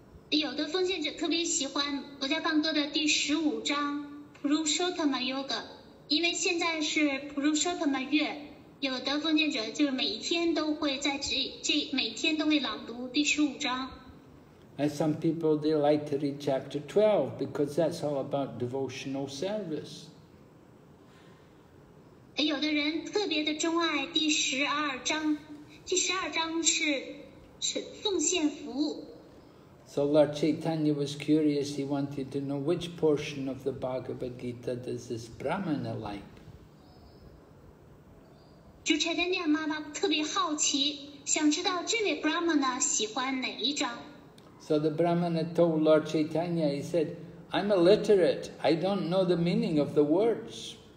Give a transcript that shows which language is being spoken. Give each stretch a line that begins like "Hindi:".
Chinese: 有的奉献者特别喜欢《薄伽梵歌》的第十五章 Purushottam Yoga， 因为现在是 Purushottam 月，有的奉献者就是每天都会在这每天都会朗读第十五章。
English: And some people, they like to read chapter 12 because that's all about devotional service.
Chinese: 有的人特别的钟爱第十二章，第十二章是奉献服务。
English: So Lord Chaitanya was curious. He wanted to know which portion of the Bhagavad Gita does this Brahmana like.
Chinese: 主 Chaitanya 妈妈特别好奇，想知道这位 Brahmana 喜欢哪一章。
English: So the Brahmana told Lord Chaitanya, he said, I'm illiterate, I don't know the meaning of the words.